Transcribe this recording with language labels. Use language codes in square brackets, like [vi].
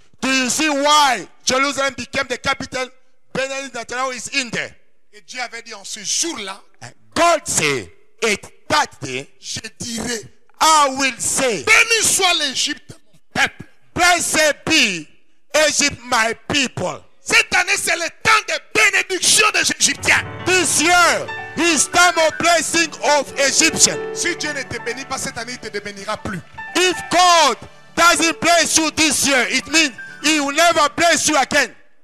[en] Do you see why Jerusalem became the capital? Benjamin Netanyahu is in there. [fr] Et Dieu avait dit en ce jour-là, [en] God said, at that day, [fr] je dirai, [en] I will say, [fr] béni soit l'Égypte, mon peuple. [en] Blessed be Egypt, my people. [fr] Cette année, c'est le temps de bénédiction des Égyptiens. [en] This year is time of blessing of Egyptians. [fr] Si Dieu ne te bénit pas cette année, il ne te bénira plus. [en] If God doesn't bless you this year, it means he will never bless you again.